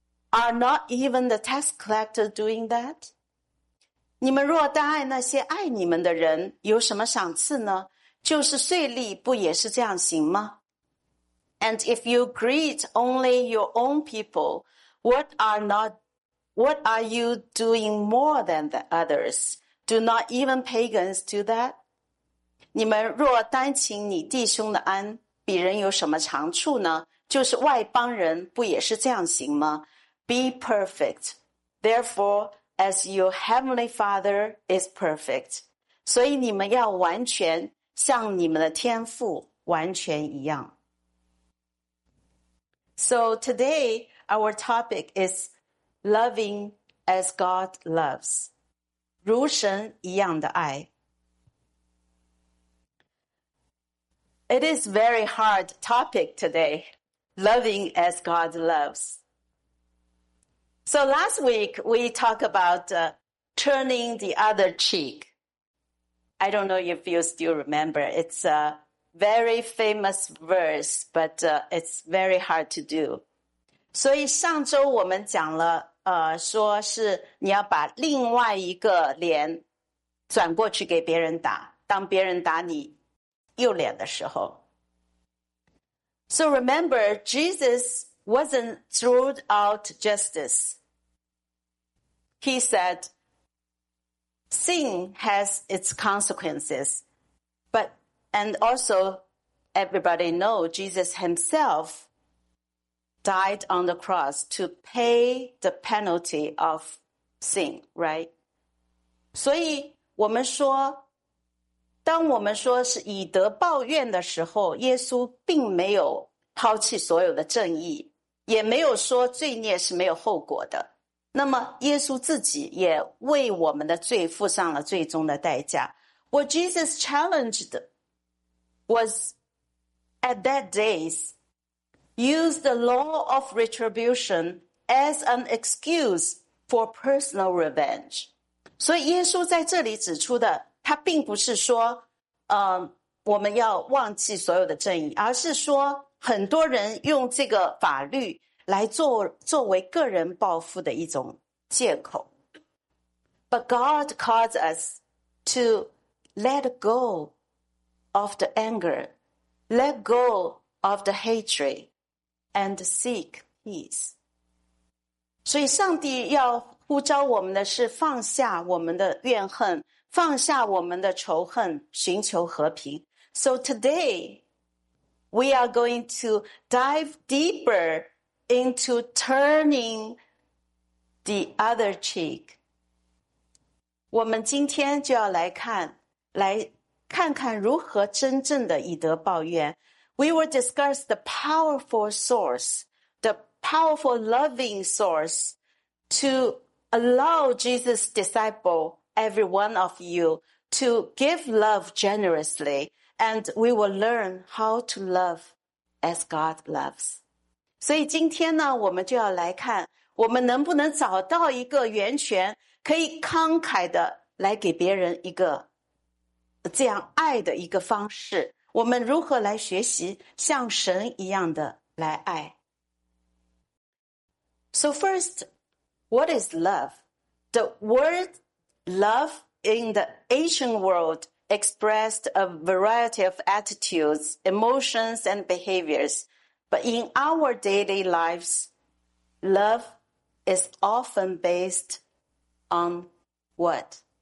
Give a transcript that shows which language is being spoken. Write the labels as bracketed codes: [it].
[en] Are not even the tax collector doing that? [zh] 你们若单爱那些爱你们的人，有什么赏赐呢？就是税吏，不也是这样行吗？ [en] And if you greet only your own people, what are not What are you doing more than the others? Do not even pagans do that? [zh] 你们若单请你弟兄的安，比人有什么长处呢？就是外邦人不也是这样行吗？ [en] Be perfect, therefore, as your heavenly Father is perfect. [zh] 所以你们要完全像你们的天父完全一样。 [en] So today, our topic is loving as God loves. [zh] 如神一样的爱。 [en] It is a very hard topic today, loving as God loves. So last week, we talked about turning the other cheek. I don't know if you still remember. It's a very famous verse, but it's very hard to do. [zh] 所以上周我们讲了说是你要把另外一个脸转过去给别人打，当别人打你右脸的时候。 [en] So remember, Jesus wasn't throwed out justice. He said, sin has its consequences. But, and also, everybody knows Jesus himself died on the cross to pay the penalty of sin, right? [zh] 所以我们说当我们说是以德报怨的时候，耶稣并没有抛弃所有的正义，也没有说罪孽是没有后果的。那么耶稣自己也为我们的罪付上了最终的代价。 [en] What Jesus challenged was at that days, use the law of retribution as an excuse for personal revenge. [zh] 所以耶稣在这里指出的他并不是说我们要忘记所有的正义，而是说很多人用这个法律来作为个人报复的一种借口。 [en] But God calls us to let go of the anger, let go of the hatred, and seek peace. [zh] 所以上帝要呼召我们的是放下我们的怨恨，放下我们的仇恨，寻求和平。 [en] So today, we are going to dive deeper into turning the other cheek. [zh] 我们今天就要来看看如何真正的以德报怨。 [en] We will discuss the powerful source, the powerful loving source to allow Jesus' disciple, every one of you, to give love generously, and we will learn how to love as God loves. [zh] 所以今天呢，我们就要来看，我们能不能找到一个源泉，可以慷慨的来给别人一个这样爱的一个方式。我们如何来学习像神一样的来爱？ [en] So first, what is love? The word love in the ancient world expressed a variety of attitudes, emotions, and behaviors. But in our daily lives, love is often based on what?